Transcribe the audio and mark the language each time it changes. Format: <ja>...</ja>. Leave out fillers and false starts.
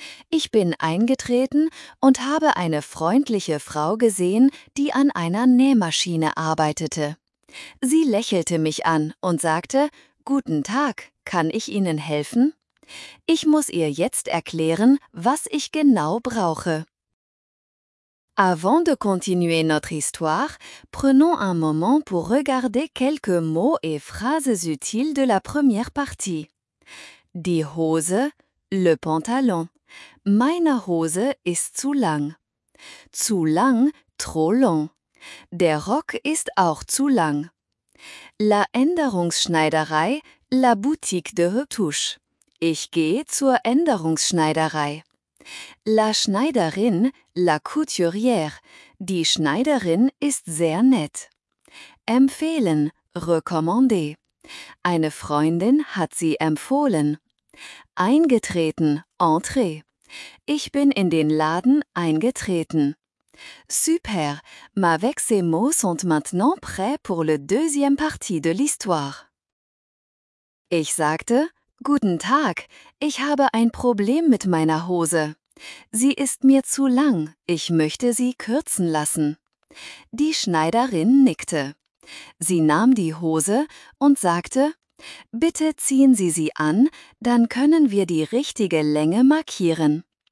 <de>Ich bin eingetreten und habe eine freundliche Frau gesehen, die an einer Nähmaschine arbeitete. Sie lächelte mich an und sagte, »Guten Tag, kann ich Ihnen helfen?« Ich muss ihr jetzt erklären, was ich genau brauche.</de> <fr>Avant de continuer notre histoire, prenons un moment pour regarder quelques mots et phrases utiles de la première partie.</fr> <de>Die Hose,</de> <fr>le pantalon.</fr> <de>Meine Hose ist zu lang. Zu lang,</de> <fr>trop long.</fr> <de>Der Rock ist auch zu lang. La Änderungsschneiderei,</de> <fr>la boutique de retouche.</fr> <de>Ich gehe zur Änderungsschneiderei. La Schneiderin,</de> <fr>la couturière,</fr> <de>die Schneiderin ist sehr nett. Empfehlen, recommander, eine Freundin hat sie empfohlen. Eingetreten, entrée, ich bin in den Laden eingetreten.</de> <fr>Super, mais avec ces mots sont maintenant prêts pour le deuxième partie de l'histoire.</fr> <de>Ich sagte, guten Tag, ich habe ein Problem mit meiner Hose. Sie ist mir zu lang, ich möchte sie kürzen lassen. Die Schneiderin nickte. Sie nahm die Hose und sagte, bitte ziehen Sie sie an, dann können wir die richtige Länge markieren.</de>